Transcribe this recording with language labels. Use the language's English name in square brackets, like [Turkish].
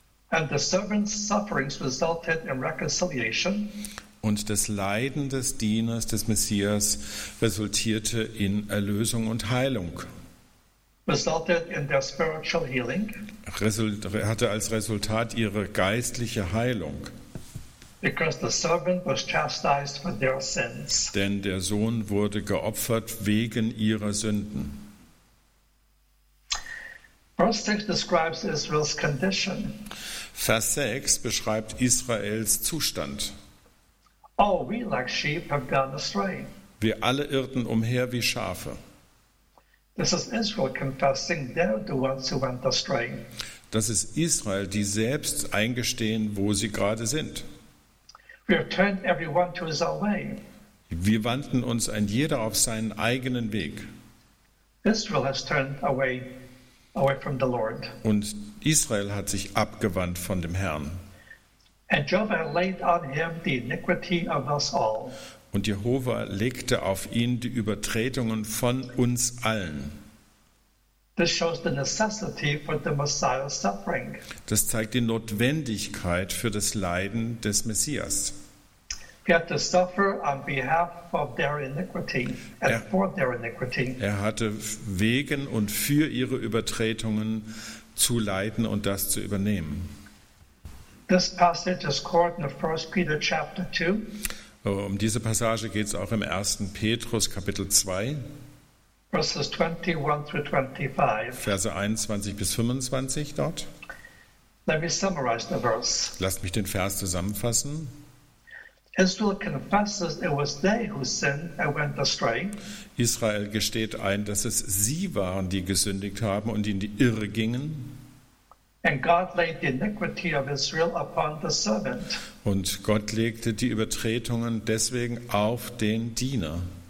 [English] And the servant's sufferings resulted in reconciliation. [German] Und das Leiden des Dieners, des Messias, resultierte in Erlösung und Heilung. [English] Resulted in their spiritual healing. [German] Hatte als Resultat ihre geistliche Heilung. [English] Because the servant was chastised for their sins. [German] Denn der Sohn wurde geopfert wegen ihrer Sünden. [English] Verse 6 describes Israel's condition. [German] Vers 6 beschreibt Israels Zustand. [English] Oh, we like sheep have gone astray. [German] Wir alle irrten umher wie Schafe. [English] This is Israel confessing they're the ones who went astray. [German] Das ist Israel, die selbst eingestehen, wo sie gerade sind. [English] We have turned everyone to his own way. [German] Wir wandten uns ein jeder auf seinen eigenen Weg. [English] Israel has turned away from the Lord. [German] Und Israel hat sich abgewandt von dem Herrn. [English] And Jehovah laid on him the iniquity of us all. [German] Und Jehova legte auf ihn die Übertretungen von uns allen. [English] This shows the necessity for the Messiah's suffering. [German] Das zeigt die Notwendigkeit für das Leiden des Messias. [English] He had to suffer on behalf of their iniquity and for their iniquity. [German] Er hatte wegen und für ihre Übertretungen zu leiden und das zu übernehmen. [English] This passage is quoted in 1 Peter chapter 2. [German] Um diese Passage geht es auch im 1. Petrus, Kapitel 2, [English] Verses 21 through 25. [German] Verse 21 bis 25 dort. [English] Let me summarize the verse. [German] Lasst mich den Vers zusammenfassen. [English] Israel confesses it was they who sinned and went astray. [German] Israel gesteht ein, dass es sie waren, die gesündigt haben und in die Irre gingen. [English] And God laid the iniquity of Israel upon the servant. [German] Und Gott legte die Übertretungen deswegen auf den Diener.